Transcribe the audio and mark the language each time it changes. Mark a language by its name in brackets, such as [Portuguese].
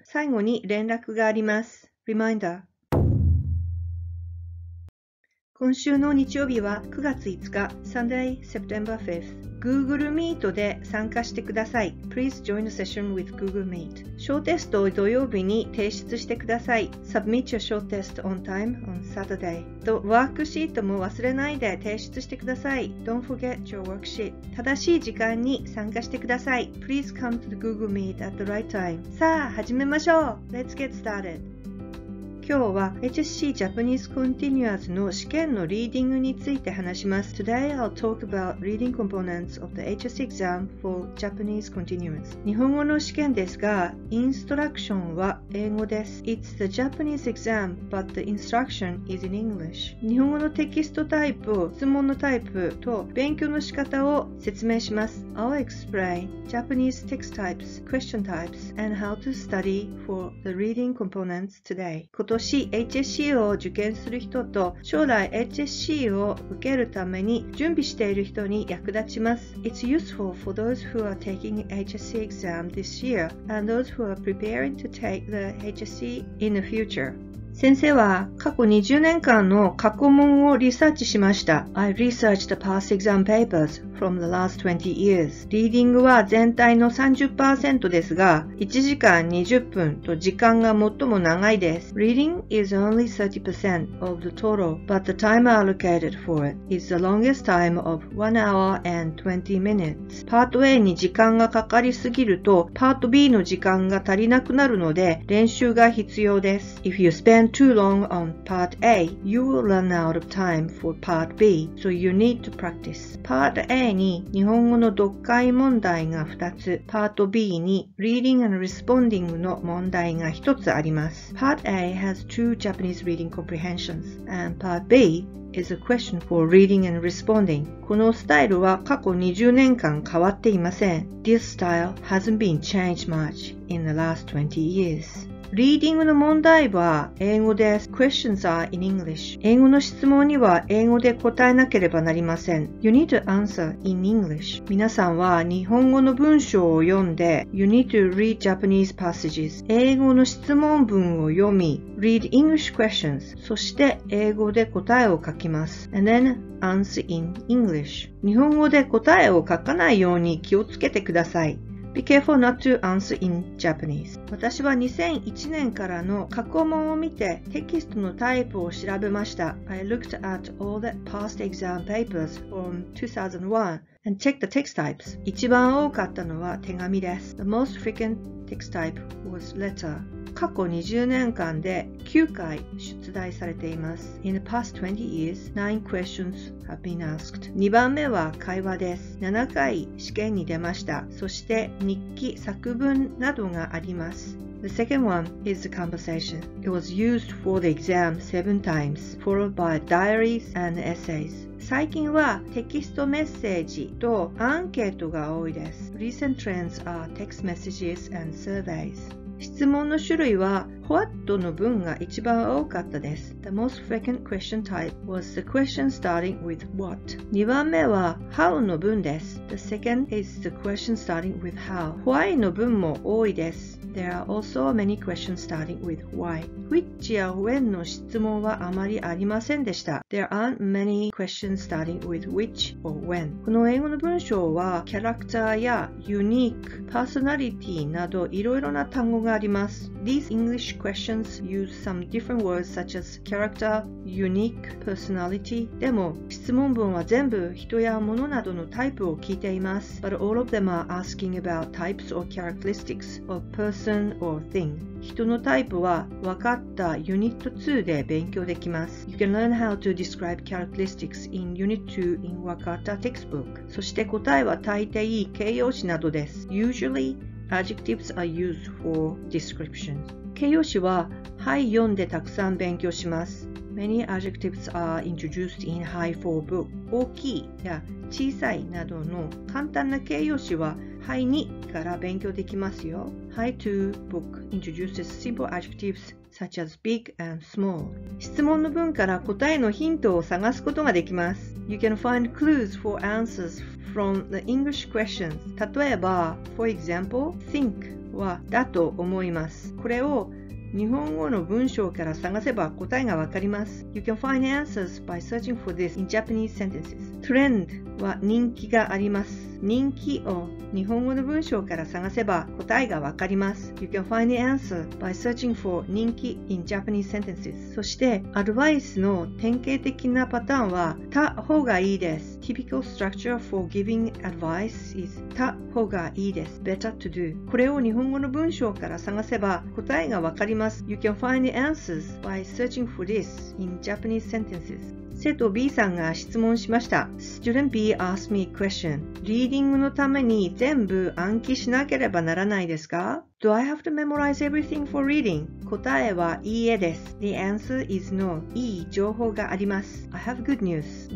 [Japanese] 最後に連絡があります。 [English] Reminder。 [Japanese] 今週の日曜日は9月5日、 [English] Sunday, September 5th。 [Japanese] Google Meet で参加してください。 [English] Please join the session with Google Meet. [Japanese] 小テストを土曜日に提出してください。 [English] Submit your short test on time on Saturday. [Japanese] と、ワークシートも忘れないで提出してください。 [English] Don't forget your worksheet. [Japanese] 正しい時間に参加してください。 [English] Please come to the Google Meet at the right time. [Japanese] さあ、始めましょう。 [English] Let's get started. [Japanese] 今日は HSC Japanese Continuers の試験のリーディングについて話します。 [English] Today I'll talk about reading components of the HSC exam for Japanese Continuers. [Japanese] 日本語の試験ですが、インストラクションは英語です。 [English] It's the Japanese exam, but the instruction is in English. [Japanese] 日本語のテキストタイプ、質問のタイプと勉強の仕方を説明します。 [English] I'll explain Japanese text types, question types, and how to study for the reading components today. [Japanese] 今年 HSC を受験する人と将来 HSC を受けるために準備している人に役立ちます。 [English] It's useful for those who are taking HSC exam this year and those who are preparing to take the HSC in the future. [Japanese] 先生は過去20年間の過去問をリサーチしました。 [English] I researched the past exam papers from the last 20 years. [Japanese] リーディングは全体の 30% ですが、1時間20分と時間が最も長いです。 [English] Reading is only 30% of the total, but the time allocated for it is the longest time of 1 hour and 20 minutes. [Japanese] パート A に時間がかかりすぎると、パート B の時間が足りなくなるので、練習が必要です。 [English] If you spend too long on part A, you will run out of time for part B, so you need to practice. [Japanese] Part A に日本語の読解問題が2つ、Part B に Reading and Responding の問題が1つあります。 [English] Part A has two Japanese reading comprehensions, and Part B is a question for reading and responding. [Japanese] このスタイルは過去20年間変わっていません。 [English] This style hasn't been changed much in the last 20 years. [Japanese] リーディングの問題は英語です。 [English] Questions are in English. [Japanese] 英語の質問には英語で答えなければなりません。 [English] You need to answer in English. [Japanese] 皆さんは日本語の文章を読んで、 [English] You need to read Japanese passages. [Japanese] 英語の質問文を読み、 [English] Read English questions. [Japanese] そして英語で答えを書きます。 [English] And then answer in English. [Japanese] 日本語で答えを書かないように気をつけてください。 [English] Be careful not to answer in Japanese. [Japanese] 私は2001年からの過去問を見てテキストのタイプを調べました。 [English] I looked at all the past exam papers from 2001 and checked the text types. [Japanese] 一番多かったのは手紙です。 [English] The most frequent text type was letter. [Japanese] 過去20年間で9回出題されています。 [English] In the past 20 years, 9 questions have been asked. [Japanese] 2番目は会話です。7回試験に出ました。そして日記、作文などがあります。 [English] The second one is the conversation. It was used for the exam 7 times, followed by diaries and essays. [Japanese] 最近はテキストメッセージとアンケートが多いです。 [English] Recent trends are text messages and surveys. [Japanese] 質問の種類は What の文が一番多かったです。 [English] The most frequent question type was the question starting with what. [Japanese] 2番目は How の文です。 [English] The second is the question starting with how. [Japanese] Why の文も多いです。 [English] There are also many questions starting with why. [Japanese] Which や when の質問はあまりありませんでした。 [English] There aren't many questions starting with which or when. [Japanese] この英語の文章はキャラクターや unique、personality などいろいろな単語があります。 [English] These English questions use some different words such as character, unique, personality. [Japanese] でも質問文は全部人や物などのタイプを聞いています。 [English] But all of them are asking about types or characteristics of person or thing. [Japanese] 人のタイプは分かったユニット2で勉強できます。 [English] You can learn how to describe characteristics in Unit 2 in Wakata textbook. [Japanese] そして答えは大抵形容詞などです。 [English] Usually,Adjectives are used for descriptions. [Japanese] 形容詞は、はい、読んでたくさん勉強します。 [English] many adjectives are introduced in high for book. [Japanese] 大きいや小さいなどの簡単な形容詞は high にから勉強できますよ。 [English] high to book introduces simple adjectives such as big and small. [Japanese] 質問の文から答えのヒントを探すことができます。 [English] You can find clues for answers from the English questions. [Japanese] 例えば、 [English] for example, [Japanese] think はだと思います。これを日本語の文章から探せば答えがわかります。 [English] You can find answers by searching for this in Japanese sentences. [Japanese] Trend は人気があります。人気を日本語の文章から探せば答えがわかります。 [English] You can find the answer by searching for 人気 in Japanese sentences. [Japanese] そして、アドバイスの典型的なパターンは、た方がいいです。 [English] Typical structure for giving advice is [Japanese] た方がいいです。 [English] Better to do. [Japanese] これを日本語の文章から探せば答えがわかります。 [English] You can find the answers by searching for this in Japanese sentences. [Japanese] 生徒 B さんが質問しました。 [English] Student B asked me a question. [Japanese] リーディングのために全部暗記しなければならないですか？ [English] Do I have to memorize everything for reading? [Japanese] 答えはいいえです。 [English] The answer is no. [Japanese] いい情報があります。 [English] I have good news.